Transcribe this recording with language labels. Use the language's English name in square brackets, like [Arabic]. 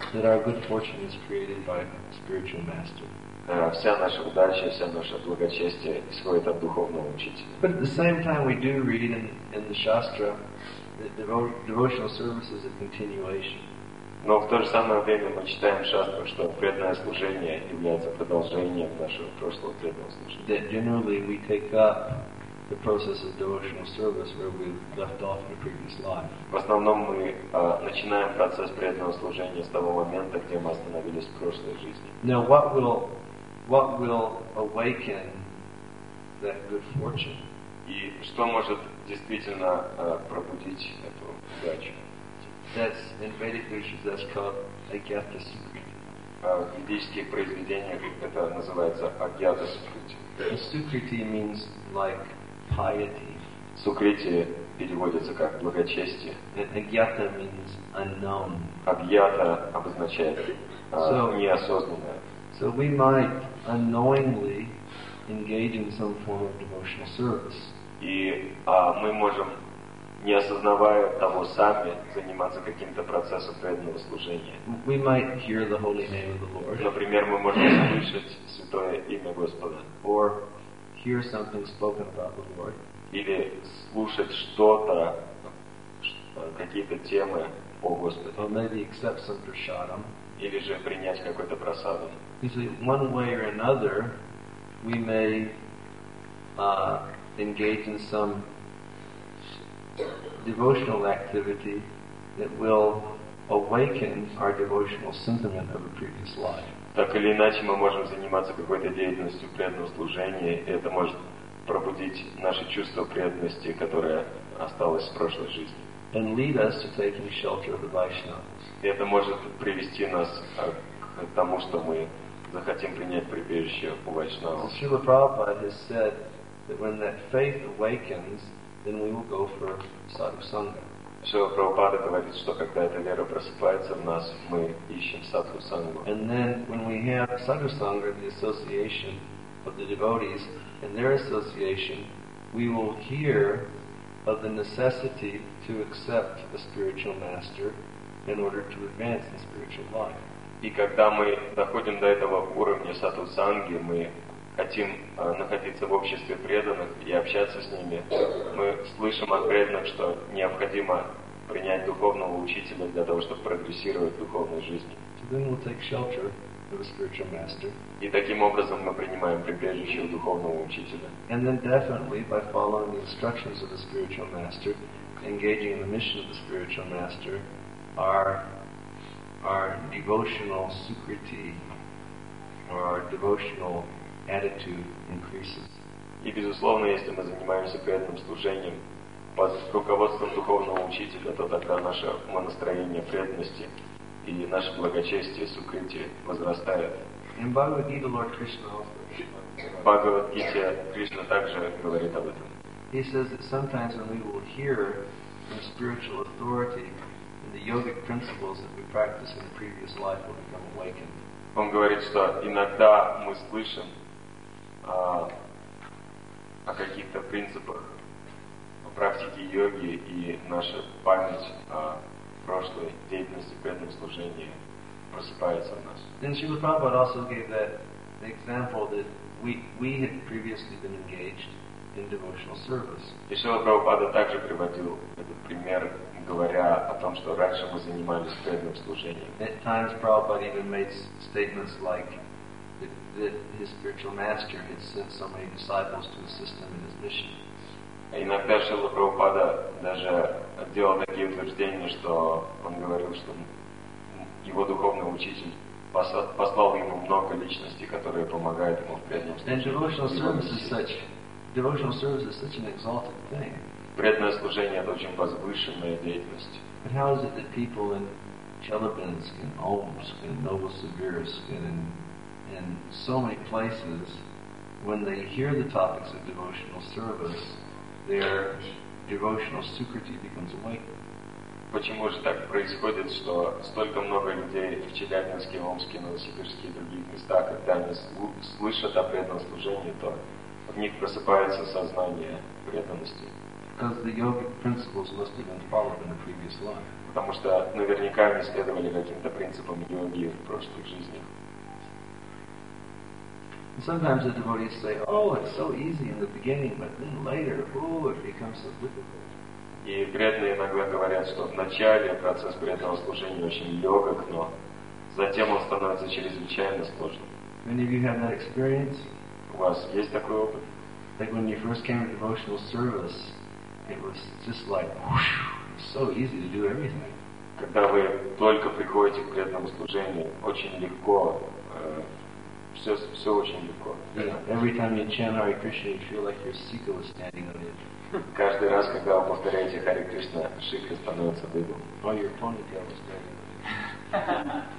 [English] That our good fortune is created by a spiritual master. [Russian] Вся наша удача, вся наша благочестие исходит от духовного учителя. [English] But at the same time, we do read in the Shastra that devotional service is a continuation. [Russian] Но в то же самое время мы читаем в Шастре, что преданное служение является продолжением нашего прошлого преданного служения. [English] That generally we take up the process of devotional service where we left off in a previous life. [Russian] В основном мы начинаем процесс преданного служения с того момента, где мы остановились в прошлой жизни. [English] Now what will awaken that good fortune? [Russian] И что может действительно пробудить эту удачу? [English] That's in Vedic literature, that's called Agyata Sukriti. [Russian] В ведических произведениях это называется Агьята Сукрити. [English] Sukriti means like piety. [Russian] Сукрити переводится как благочестие. [English] Агьята means unknown. [Russian] Агьята обозначает неосознанное. [English] So we might unknowingly engage in some form of devotional service. [Russian] И мы можем, не осознавая того сами, заниматься каким-то процессом преданного служения. [English] We might hear the holy name of the Lord. [Russian] Например, мы можем слышать святое имя Господа. [English] Or hear something spoken about the Lord. [Russian] Или слушать что-то, какие-то темы о Господе. [English] Or maybe accept some prasadam. [Russian] Или же принять какой-то прасадам. [English] You see, one way or another, we may engage in some devotional activity that will awaken our devotional sentiment of a previous life. [Russian] Так или иначе, мы можем заниматься какой-то деятельностью преданного служения, и это может пробудить наше чувство преданности, которое осталось в прошлой жизни. [English] And lead us to taking shelter of the Vaishnavas. [Russian] И это может привести нас к тому, что мы захотим принять прибежище у Вайшнава. [English] Śrīla Prabhupāda has said that when that faith awakens, then we will go for sadhu-sangha. [Russian] Śrīla Prabhupāda говорит, что когда эта вера просыпается в нас, мы ищем sadhu-sangha. [English] And then when we have sadhu-sangha, the association of the devotees and their association, we will hear of the necessity to accept a spiritual master in order to advance in spiritual life. [Russian] И когда мы доходим до этого уровня сатусанги, мы хотим находиться в обществе преданных и общаться с ними, мы слышим от преданных, что необходимо принять духовного учителя для того, чтобы прогрессировать в духовной жизни. [English] So then we'll take shelter of a spiritual master. [Russian] И таким образом мы принимаем прибежище у духовного учителя. [English] And then definitely by following the instructions of the spiritual master, engaging in the mission of the spiritual master, our devotional sukriti, or our devotional attitude increases. [Russian] И безусловно, если мы занимаемся при этом служением под руководством духовного учителя, то тогда наше умонастроение преданности и наше благочестие сукрити возрастает. [English] In Bhagavad-gita, Lord Krishna also. [Russian] Bhagavad-gita, Krishna также говорит об этом. [English] He says that sometimes when we will hear from spiritual authority, the yogic principles that we practice in the previous life will become awakened. [Russian] Он говорит, что иногда мы слышим о каких-то принципах в практике йоги, и наша память о прошлой деятельности, преданном служении просыпается в нас. [English] Then Srila Prabhupada also gave the example that we had previously been engaged in devotional service. [Russian] И Шрила Прабхупада также приводил этот пример, говоря о том, что раньше мы занимались преданным служением. [English] At times Prabhupada even made statements like that his spiritual master had sent so many disciples to assist him in his mission. [Russian] Иногда Шрила Прабхупада даже делал такие утверждения, что он говорил, что его духовный учитель послал ему много личностей, которые помогают ему в преданном служении. [English] And devotional service is such. Devotional service is such an exalted thing. [Russian] Преданное служение — это очень возвышенная деятельность. [English] But how is it that people in Chelyabinsk and Omsk and Novosibirsk and in so many places, when they hear the topics of devotional service, their devotional sukriti becomes awakened? [Russian] Почему же так происходит, что столько много людей в Челябинске, Омске, Новосибирске и других местах, когда они слышат о преданном служении, то в них просыпается сознание преданности? [English] Because the yogic principles must have been followed in the previous life. [Russian] Потому что наверняка они следовали каким-то принципам йоги в прошлых жизнях. [English] And sometimes the devotees say, "Oh, it's so easy in the beginning, but then later, oh, it becomes so difficult." [Russian] И преданные иногда говорят, что в начале процесс преданного служения очень легок, но затем он становится чрезвычайно сложным. [English] Many of you have that experience. [Russian] У вас есть такой опыт? [English] Like when you first came to devotional service, it was just like, whoosh, so easy to do everything. [Russian] Когда вы только приходите к преданному служению, очень легко, все очень легко. [English] Yeah. Every time you chant Hare Krishna, you feel like your sikha was standing on it. [Russian] Каждый раз, когда вы повторяете Hare Krishna, шикха становится дыбом. [English] Oh, your ponytail was standing on it.